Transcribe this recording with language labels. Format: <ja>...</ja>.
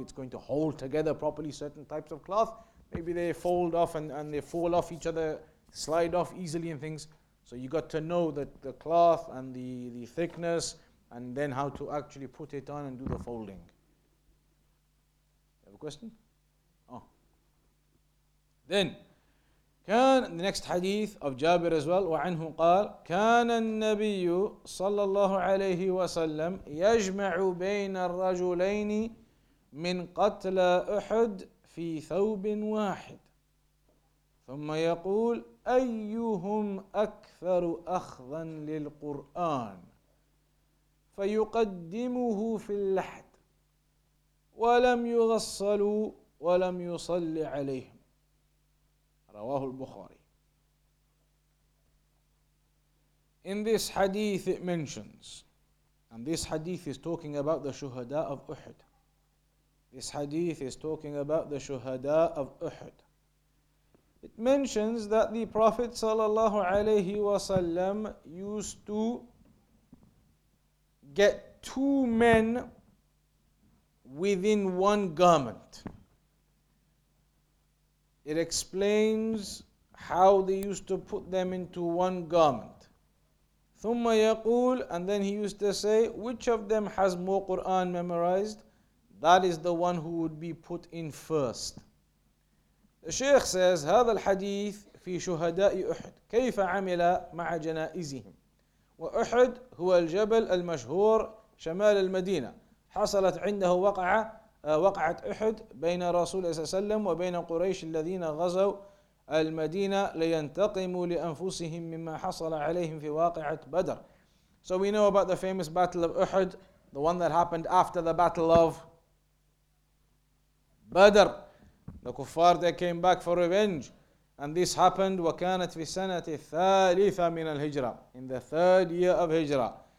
<en>It's going to hold together properly certain types of cloth. Maybe they fold off and they fall off each other, slide off easily and things. So you got to know that the cloth and the thickness, and then how to actually put it on and do the folding. You have a question?</en> <ar>Then, كان</ar> <en>the next hadith of Jabir as well,</en> <ar>وعنه قال كان النبي صلى الله عليه وسلم يجمع بين الرجلين من قتل أحد في ثوب واحد. ثم يقول أيهم أكثر أخذا للقرآن فيقدمه في اللحد ولم يغسلوا ولم يصلي عليهم. رواه البخاري.</ar> <en>In this hadith it mentions, and this hadith is talking about the shuhada of Uhud. This hadith is talking about the shuhada of Uhud. It mentions that the Prophet sallallahu alayhi wasallam used to get two men within one garment. It explains how they used to put them into one garment.</en> <ar>ثم يقول,</ar> <en>and then he used to say, which of them has more Quran memorized? That is the one who would be put in first. The Shaykh says,</en> <ar>هذا الحديث في شهداء أحد كيف عمل مع جنائزهم وأحد هو الجبل المشهور شمال المدينة حصلت عنده وقعت أحد بين رسول الله صلى الله عليه وسلم وبين قريش الذين غزوا المدينة لينتقموا لأنفسهم مما حصل عليهم في واقعة بدر.</ar> <en>So we know about the famous battle of Uhud, the one that happened after the battle of Badr. The kuffar, they came back for revenge. And this happened,</en> <ar>وَكَانَتْ فِي سَنَةِ الثَّالِثَةِ مِنَ الْهِجْرَةِ,</ar> <en>in the third year of Hijra.</en>